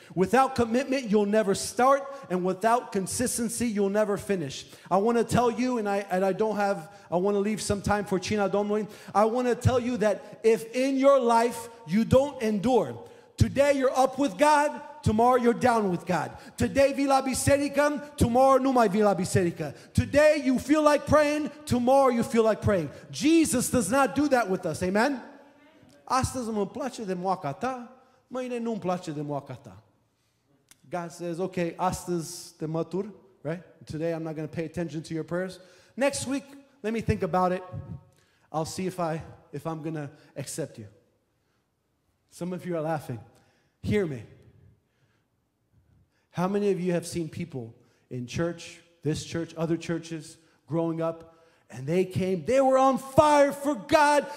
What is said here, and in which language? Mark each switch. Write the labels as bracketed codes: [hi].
[en] Without commitment, you'll never start, and without consistency, you'll never finish. I want to tell you, I want to leave some time for Cina Domnului. I want to tell you that if in your life you don't endure, today you're up with God, tomorrow you're down with God. Today [ro] vii la biserică, [en] tomorrow [ro] nu mai vii la biserică. [en] Today you feel like praying, tomorrow you feel like praying. Jesus does not do that with us, amen? [ro] Astăzi îmi place de moaca ta, mâine nu îmi place de moaca ta. [en] God says, okay, [ro] astăzi te mătur, [en] right? Today I'm not going to pay attention to your prayers. Next week, let me think about it. I'll see if I'm going to accept you. Some of you are laughing. Hear me. How many of you have seen people in church, this church, other churches, growing up, and they came, they were on fire for God.